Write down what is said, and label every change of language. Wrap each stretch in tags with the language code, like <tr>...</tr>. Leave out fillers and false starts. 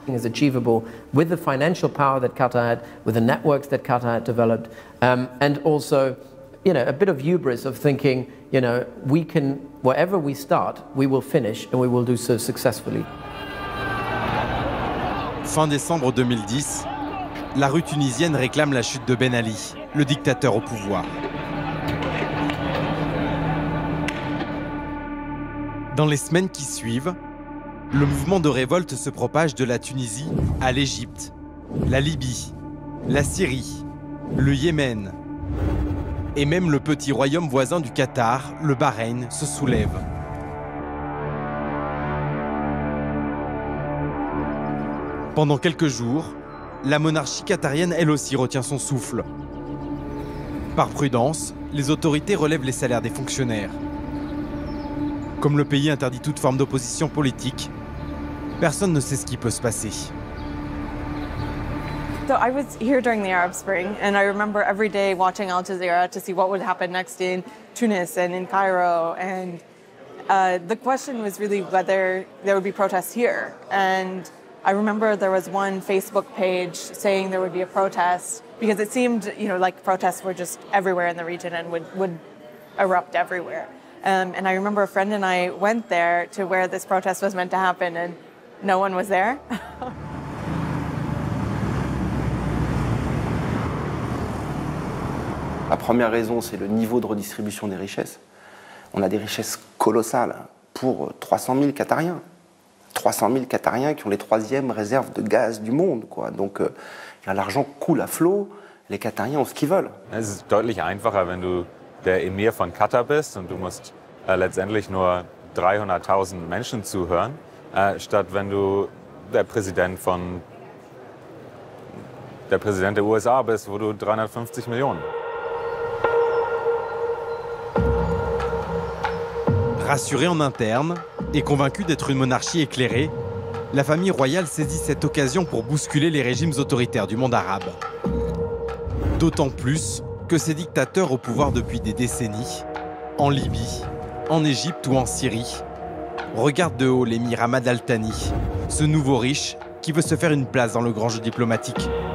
<en>It is achievable with the financial power that Qatar had, with the networks that Qatar had developed, and also, you know, a bit of hubris of thinking, you know, we can, wherever we start, we will finish and we will do so successfully.</en> <fr>Fin décembre 2010, la rue tunisienne réclame la chute de Ben Ali, le dictateur au pouvoir. Dans les semaines qui suivent, le mouvement de révolte se propage de la Tunisie à l'Égypte, la Libye, la Syrie, le Yémen. Et même le petit royaume voisin du Qatar, le Bahreïn, se soulève. Pendant quelques jours, la monarchie qatarienne, elle aussi, retient son souffle. Par prudence, les autorités relèvent les salaires des fonctionnaires. Comme le pays interdit toute forme d'opposition politique, personne ne sait ce qui peut se passer.</fr> <en>So I was here during the Arab Spring, and I remember every day watching Al Jazeera to see what would happen next in Tunis and in Cairo. And the question was really whether there would be protests here. And I remember there was one Facebook page saying there would be a protest, because it seemed, you know, like protests were just everywhere in the region and would erupt everywhere. And I remember a friend and I went there to where this protest was meant to happen, and no one was there.</en> <fr>La première raison, c'est le niveau de redistribution des richesses. On a des richesses colossales pour 300 000 Qatariens. 300 000 Qatariens qui ont les troisièmes réserves de gaz du monde, quoi. Donc, l'argent coule à flot. les Qatariens ont ce qu'ils veulent. C'est</fr> <de>deutlich einfacher wenn du der Emir von Katar bist und du musst letztendlich nur 300.000 Menschen zuhören, statt wenn du der Präsident der USA bist, wo du 350 Millionen.</de> <fr>Rassurée en interne et convaincue d'être une monarchie éclairée, la famille royale saisit cette occasion pour bousculer les régimes autoritaires du monde arabe. D'autant plus que ces dictateurs au pouvoir depuis des décennies, en Libye, en Égypte ou en Syrie, regardent de haut l'émir Hamad Al-Thani, ce nouveau riche qui veut se faire une place dans le grand jeu diplomatique.</fr>